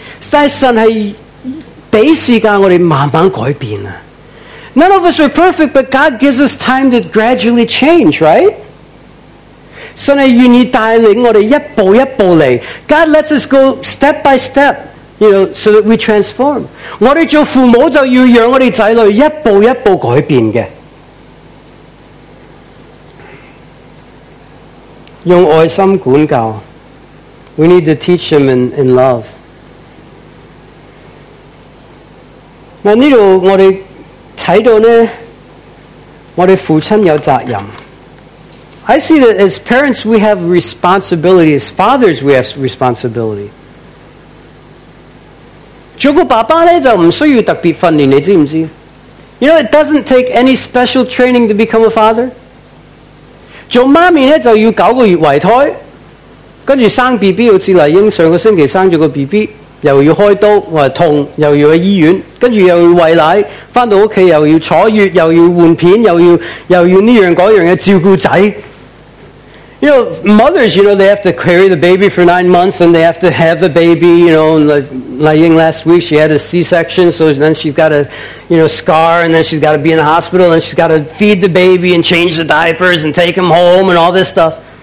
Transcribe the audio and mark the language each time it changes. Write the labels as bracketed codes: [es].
[zh] 但神是給時間我們慢慢改變。 [en] None of us are perfect, but God gives us time to gradually change, right? [zh] 神是願意帶領我們一步一步來。 [en] God lets us go step by step, you know, so that we transform. [zh] 我們做父母就要讓我們子女一步一步改變的。用愛心管教。 [en] We need to teach them in love. [zh] 嗱呢度我哋睇到咧，我哋父親有責任。 [en] I see that as parents we have responsibility, as fathers we have responsibility. [zh] 做個爸爸咧就唔需要特別訓練，你知唔知 [en] ？You know it doesn't take any special training to become a father. [zh] 做媽咪咧就要九個月懷胎，跟住生 BB， 好似麗英上個星期生咗個 BB。又要開刀，或者痛，又要去醫院，跟住又要餵奶，翻到屋企又要坐月，又要換片，又要呢樣嗰樣嘅照顧仔。 [en] You know, mothers, you know, they have to carry the baby for 9 months, and they have to have the baby. You know, Lai Ying last week, she had a C-section, so then she's got a, you know, scar, and then she's got to be in the hospital, and she's got to feed the baby and change the diapers and take him home and all this stuff.